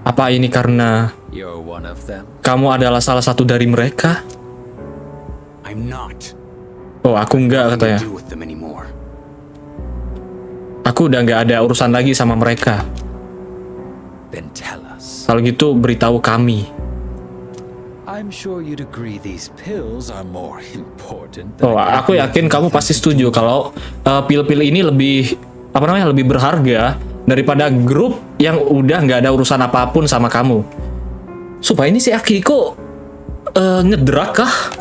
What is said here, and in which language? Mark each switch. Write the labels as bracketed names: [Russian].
[Indonesian] Apa ini karena [English] you're one of them? [Indonesian] Kamu adalah salah satu dari mereka? [English] I'm not. [Indonesian] Oh, aku enggak katanya. Aku udah gak ada urusan lagi sama mereka. [English] Then tell us. [Indonesian] Kalau gitu beritahu kami. [English] I'm sure you'd agree these pills are more important. [Indonesian] Oh, aku yakin kamu pasti setuju kalau pil-pil ini lebih berharga daripada grup yang udah gak ada urusan apapun sama kamu. Supaya ini si Akiko ngedrug kah?